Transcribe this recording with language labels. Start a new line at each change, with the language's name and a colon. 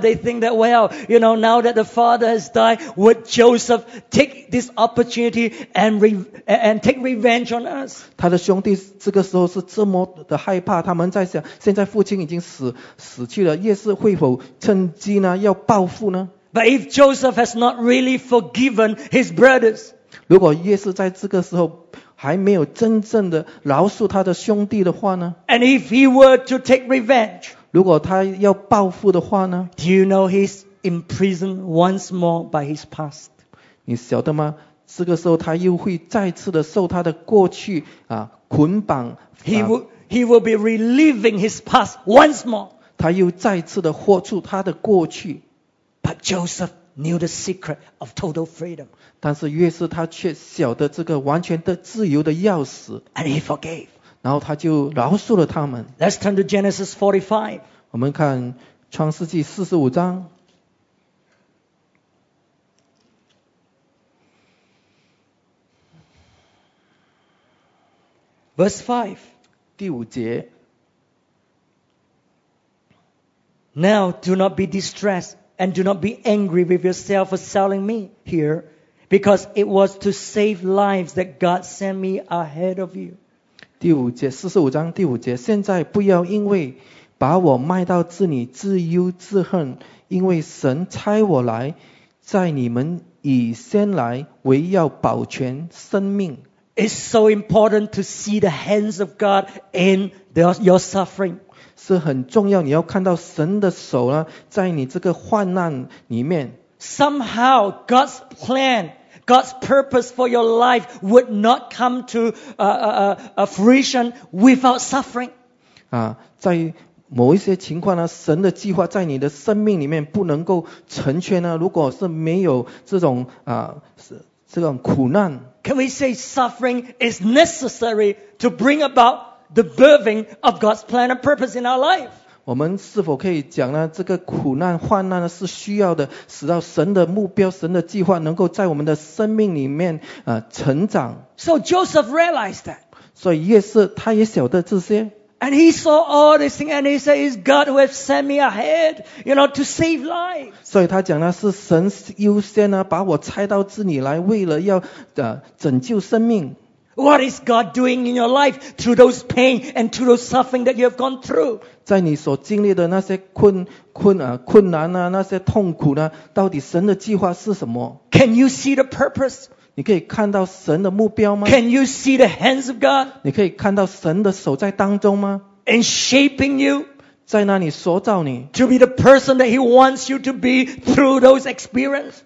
English: They think that, well, you know, now that the father has died, would Joseph take this opportunity and take revenge on us?
Chinese: 他的兄弟这个时候是这么的害怕，他们在想，现在父亲已经死去了，耶稣会否趁机呢，要报复呢？
English: But if Joseph has not really forgiven his brothers,
Chinese: 如果耶稣在这个时候还没有真正的饶恕他的兄弟的话呢？
English: And if he were to take revenge,
Chinese: 如果他要报复的话呢？
English: Do you know he's imprisoned once more by his past?
Chinese: 你晓得吗？这个时候他又会再次的受他的过去啊捆绑。
English: He will be reliving his past once more.
Chinese: 他又再次的活出他的过去。
English: But Joseph knew the secret of total freedom.
Chinese: 但是约瑟他却晓得这个完全的自由的钥匙。
English: And he forgave.
Chinese: 然后他就饶恕了他们。
English: Let's turn to Genesis 45.
Chinese: 我们看创世纪45章。
English: Verse 5.
Chinese: 第五节。
English: Now do not be distressed and do not be angry with yourself for selling me here, because it was to save lives that God sent me ahead of you.
Chinese: 第五节，四十五章第五节，现在不要因为把我卖到这里自忧自恨，因为神差我来，在你们以先来，为要保全生命。
English: It's so important to see the hands of God in your suffering.
Chinese: 是很重要，你要看到神的手呢，在你这个患难里面。
English: Somehow God's plan. God's purpose for your life would not come to fruition without suffering.
Chinese: 啊，在某一些情况呢，神的计划在你的生命里面不能够成全呢。如果是没有这种啊，这种苦难。
English: Can we say suffering is necessary to bring about the birthing of God's plan and purpose in our life?
Chinese: 我们是否可以讲呢？这个苦难、患难呢，是需要的，使到神的目标、神的计划能够在我们的生命里面成长。
English: So Joseph realized that.
Chinese: 所以约瑟他也晓得这些。
English: And he saw all these things, and he said, "It's God who has sent me ahead, you know, to save lives."
Chinese: 所以他讲呢，是神优先呢，把我差到这里来，为了要拯救生命。
English: What is God doing in your life through those pain and through those suffering that you have gone through?
Chinese: 在你所经历的那些困难啊，那些痛苦呢，到底神的计划是什么？
English: Can you see the purpose?
Chinese: 你可以看到神的目标吗？
English: Can you see the hands of God?
Chinese: 你可以看到神的手在当中吗？
English: In shaping you,
Chinese: 在那里塑造你，
English: to be the person that He wants you to be through those experiences.